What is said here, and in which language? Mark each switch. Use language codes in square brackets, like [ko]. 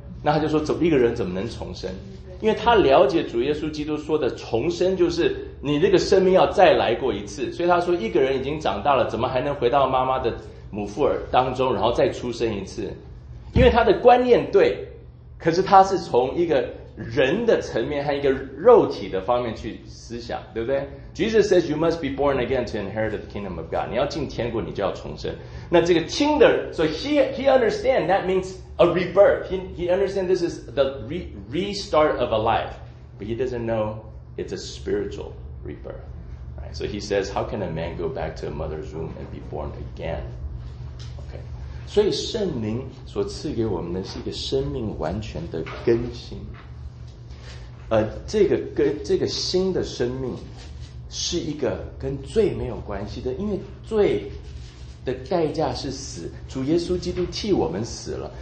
[zh] 那他就说一个人怎么能重生？因为他了解主耶稣基督说的重生就是你这个生命要再来过一次，所以他说一个人已经长大了，怎么还能回到妈妈的母腹儿当中然后再出生一次？因为他的观念对，可是他是从一个人的层面和一个肉体的方面去思想，对不对？ [en] Jesus says you must be born again to inherit the kingdom of God. [zh] 你要进天国，你就要重生。那这个听的， [en] so he understand that means a rebirth. He understand this is the restart of a life. But he doesn't know it's a spiritual rebirth. Right? So he says, how can a man go back to a mother's womb and be born again? Okay. [zh] 所以圣灵所赐给我们的是一个生命完全的更新。这个新的生命是一个跟罪没有关系的，因为罪的代价是死，主耶稣基督替我们死了。